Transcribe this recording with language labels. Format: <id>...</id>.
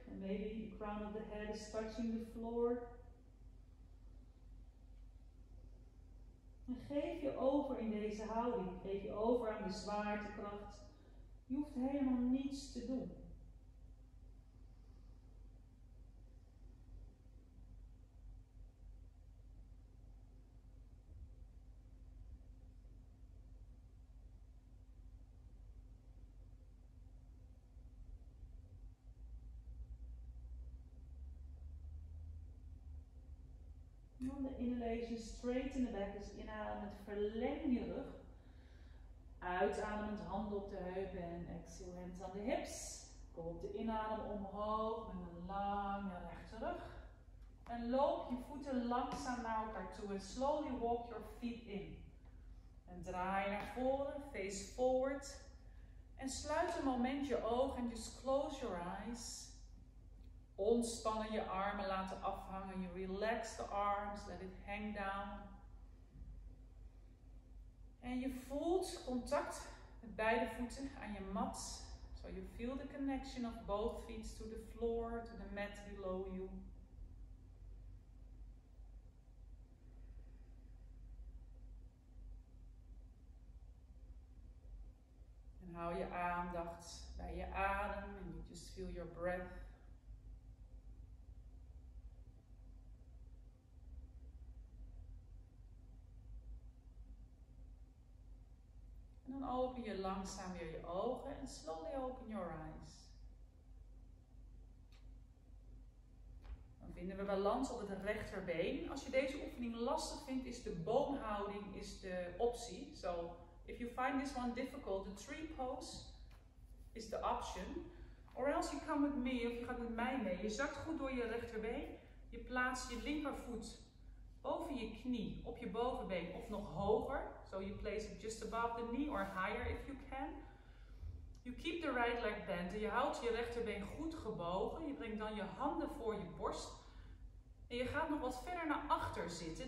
<en>And maybe the crown of the head is touching the floor.</en> <nl>En geef je over in deze houding. Geef je over aan de zwaartekracht. Je hoeft helemaal niets te doen. Dan de</nl> <en>inhalation, straighten the back,</en> <nl>dus inademend, verleng je rug. Uitademend, handen op de heupen en</nl> <en>exhale, hands</en> <nl>aan de hips. Kom op de inadem omhoog met een lange rechte rug. En loop je voeten langzaam naar elkaar toe en</nl> <en>slowly walk your feet in.</en> <nl>En draai naar voren,</nl> <en>face forward.</en> <nl>En sluit een moment je ogen en</nl> <en>just close your eyes.</en> <nl>Ontspannen je armen, laten afhangen.</nl> <en>You relax the arms, let it hang down.</en> <nl>En je voelt contact met beide voeten aan je mat.</nl> <en>So you feel the connection of both feet to the floor, to the mat below you.</en> <nl>En hou je aandacht bij je adem</nl> <en>and you just feel your breath.</en> <nl>Dan open je langzaam weer je ogen en</nl> <en>slowly open your eyes.</en> <nl>Dan vinden we balans op het rechterbeen. Als je deze oefening lastig vindt, is de boomhouding is de optie.</nl> <en>So, if you find this one difficult, the tree pose is the option. Or else you come with me,</en> <nl>of je gaat met mij mee. Je zakt goed door je rechterbeen. Je plaatst je linkervoet boven je knie, op je bovenbeen of nog hoger.</nl> <en>So you place it just above the knee or higher if you can. You keep the right leg bent.</en> <nl>En je houdt je rechterbeen goed gebogen. Je brengt dan je handen voor je borst. En je gaat nog wat verder naar achter zitten.</nl>